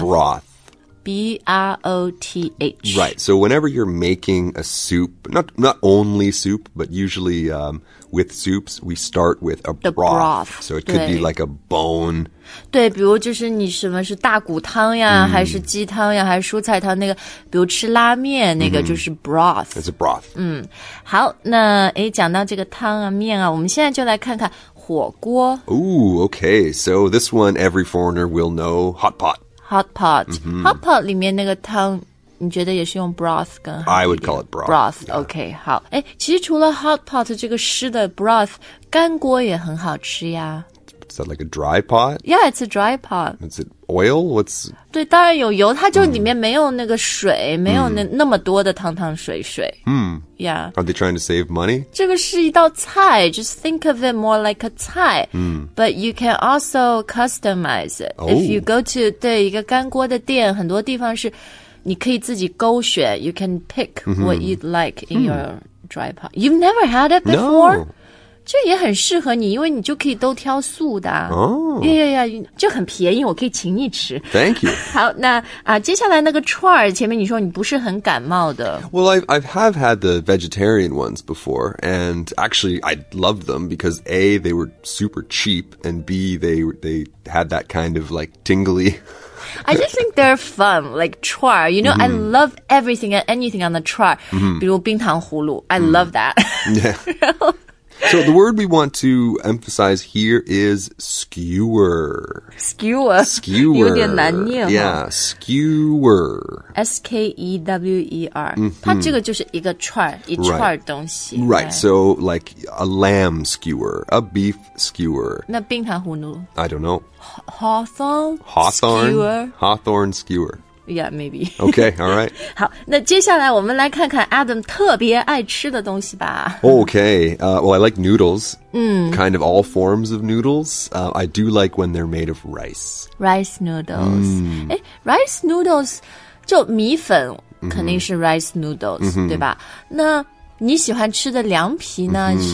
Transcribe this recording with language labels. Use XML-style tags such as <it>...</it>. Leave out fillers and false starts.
<en>Broth. B-R-O-T-H. Right. So whenever you're making a soup, not only soup, but usually、with soups, we start with a broth. The broth. So it could be like a bone.</en> <zh>对比如就是你什么是大骨汤呀、mm. 还是鸡汤呀还是蔬菜汤那个比如吃拉面那个就是 broth.、</zh> <en>Mm-hmm. It's a broth.</en> <zh>好那诶讲到这个汤啊面啊我们现在就来看看火锅。</zh> <en>Ooh, okay. So this one, every foreigner will know hot pot. Hot pot,、mm-hmm. hot pot</en> <zh>里面那个汤你觉得也是用 broth 更好一</zh> <en>点?I would call it broth. Broth,、yeah. okay, 好。</en> <zh>诶,其实除了 hot pot 这个湿的 broth, 干锅也很好吃呀。</zh> <en>Is that like a dry pot? Yeah, it's a dry pot. Is it oil? What's...</en> <zh>对,当然有油,它就里面没有那个水,、mm. 没有 那么多的汤汤水水。 Mm.</zh> <en>Yeah. Are they trying to save money?</en> <zh>这个是一道菜,</zh> <en>just think of it more like a 菜。 Mm. But you can also customize it.、 Oh. If you go to, 对,一个干锅的店,很多地方是你可以自己勾选, you can pick、 mm-hmm. what you'd like in、mm. your dry pot. You've never had it before? No.</en> <zh>这也很适合你，因为你就可以都挑素的。哦，呀呀呀，就很便宜，我可以请你吃。</zh> <en>Thank you.</en> <zh>好，那啊，接下来那个串儿，前面你说你不是很感冒的。</zh> <en>Well, I've had the vegetarian ones before, and actually I loved them because A, they were super cheap, and B, they had that kind of like tingly. I just think they're fun, like串. You know,、mm-hmm. I love everything and anything on the串.</en> <zh>比如冰糖葫芦</zh> <en>I love that. Yeah. So the word we want to emphasize here is skewer. Skewer. Skewer.</en> <zh>有点难念。</zh> <en>Yeah, skewer.</en> <zh>S-K-E-W-E-R.、Mm-hmm. 它这个就是一个串儿，一串儿东西。</zh> <en>Right. Right, so like a lamb skewer, a beef skewer.</en> <zh>那冰糖葫芦。</zh> <en>I don't know. Hawthorn skewer. Hawthorn skewer. Yeah, maybe. Okay, all right.</en> <zh>好，那接下来我们来看看 Adam 特别爱吃的东西吧。</zh> <en>Okay, well, I like noodles.、 Mm. Kind of all forms of noodles.、I do like when they're made of rice. Rice noodles.、Mm.</en> <zh>Rice noodles, 就米粉肯定是 rice noodles,、mm-hmm. 对吧？那你喜欢吃的凉皮呢、mm-hmm.</zh>